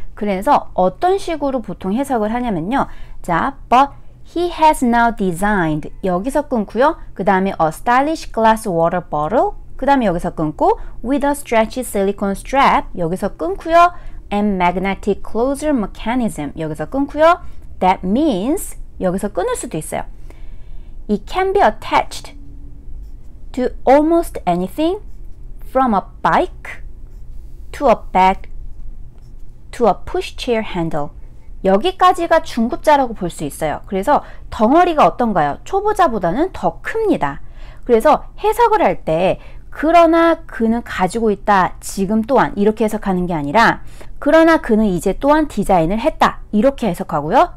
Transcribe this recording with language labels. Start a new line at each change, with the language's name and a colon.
Korean: 그래서 어떤 식으로 보통 해석을 하냐면요, 자,
English: but he has now designed,
Korean: 여기서 끊고요, 그 다음에
English: a stylish glass water bottle,
Korean: 그 다음에 여기서 끊고
English: with a stretchy silicone strap,
Korean: 여기서 끊고요,
English: and magnetic closure mechanism,
Korean: 여기서 끊고요,
English: that means,
Korean: 여기서 끊을 수도 있어요.
English: It can be attached to almost anything from a bike to a bag to a pushchair handle.
Korean: 여기까지가 중급자라고 볼 수 있어요. 그래서 덩어리가 어떤가요? 초보자보다는 더 큽니다. 그래서 해석을 할 때 그러나 그는 가지고 있다, 지금 또한, 이렇게 해석하는 게 아니라 그러나 그는 이제 또한 디자인을 했다, 이렇게 해석하고요.